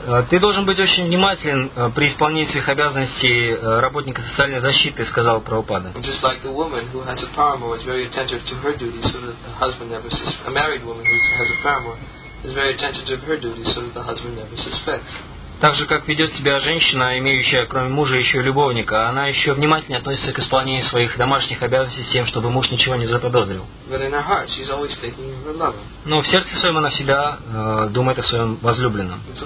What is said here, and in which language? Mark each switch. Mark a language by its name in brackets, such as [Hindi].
[Russian] Ты должен быть очень внимателен при исполнении своих обязанностей работника социальной защиты, сказал Прабхупада. [English] Just like the woman who has a paramour is very attentive to her duties, so that the husband never a married woman who has a paramour is very attentive to her duties, so that the husband never suspects. [Russian] Так же, как ведет себя женщина, имеющая кроме мужа еще и любовника, она еще внимательнее относится к исполнению своих домашних обязанностей с тем, чтобы муж ничего не заподозрил. Но в сердце своем она всегда думает о своем возлюбленном.